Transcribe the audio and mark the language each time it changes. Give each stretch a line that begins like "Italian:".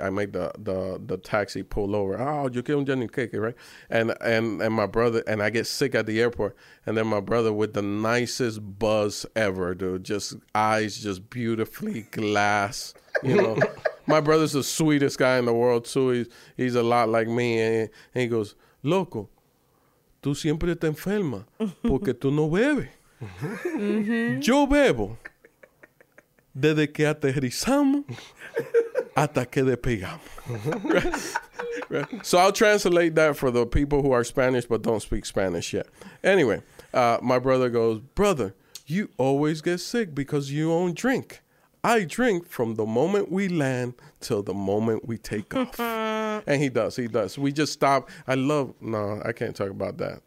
English: I made the taxi pull over. Oh, you get un Johnny Cake, right? And my brother, and I get sick at the airport. And then my brother with the nicest buzz ever, dude. Just eyes, just beautifully glass, you know. My brother's the sweetest guy in the world, too. He's a lot like me. And he goes,
Spanish: loco, tú siempre te enferma porque tú no bebes. Yo bebo. Desde que aterrizamos hasta que despegamos.
English: Right. So I'll translate that for the people who are Spanish but don't speak Spanish yet. Anyway, my brother goes, brother, you always get sick because you don't drink. I drink from the moment we land till the moment we take off. And he does. He does. We just stop. I can't talk about that.